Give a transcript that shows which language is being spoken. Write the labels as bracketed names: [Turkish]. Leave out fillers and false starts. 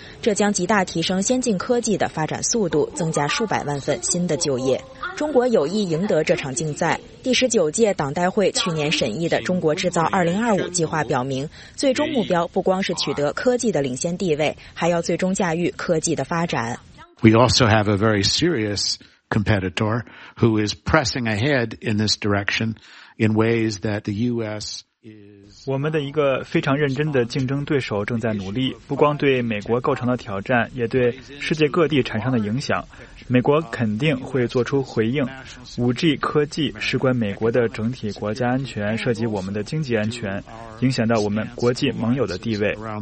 [Chinese] 这将极大提升先进科技的发展速度，增加数百万份新的就业。中国有意赢得这场竞赛。第十九届党代会去年审议的《中国制造2025》计划表明，最终目标不光是取得科技的领先地位，还要最终驾驭科技的发展。 [English] We also have a very serious competitor who is pressing ahead in this direction in ways that the U.S. [Chinese] 我们的一个非常认真的竞争对手正在努力，不光对美国构成了挑战，也对世界各地产生了影响。美国肯定会做出回应。5G 科技事关美国的整体国家安全，涉及我们的经济安全，影响到我们国际盟友的地位。